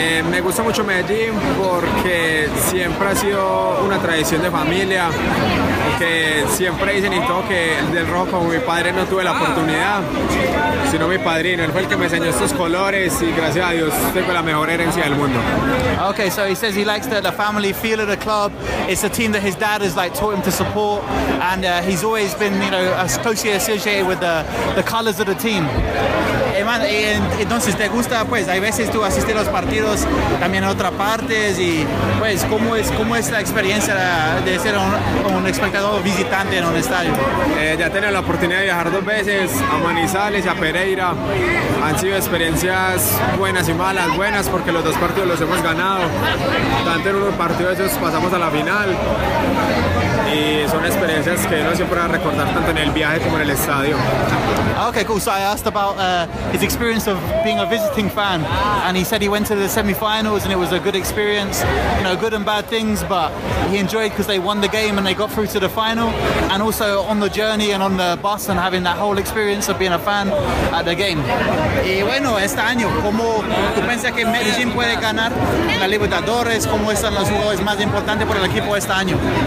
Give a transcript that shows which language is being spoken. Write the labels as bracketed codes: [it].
[es] Me gusta mucho Medellin porque siempre ha sido una tradición de familia. Que siempre dicen y todo que el del rojo, como mi padre, no tuve la oportunidad, sino mi padrino. Él fue el que me enseñó estos colores y gracias a Dios tengo la mejor herencia del mundo. [en] Okay, so he says he likes the family feel of the club. It's a team that his dad has like taught him to support. And he's always been, you know, closely associated with the colors of the team. [es] Man, entonces te gusta, pues, hay veces tú asistes a los partidos también en otras partes y, pues, ¿cómo es la experiencia de ser un espectador visitante en un estadio? Ya he tenido la oportunidad de viajar dos veces a Manizales y a Pereira. Han sido experiencias buenas y malas. Buenas porque los dos partidos los hemos ganado. Tanto en unos partidos esos pasamos a la final. Y son experiencias que uno siempre va a recordar tanto en el viaje como en el estadio. [en] Okay, cool. So I asked about his experience of being a visiting fan, and he said he went to the semi-finals and it was a good experience, you know, good and bad things, but he enjoyed because they won the game and they got through to the final, and also on the journey and on the bus and having that whole experience of being a fan at the game. [es] Y bueno, este año, ¿cómo tú piensas que Medellín puede ganar la Libertadores? ¿Cómo están los jugadores más importantes por el equipo este año?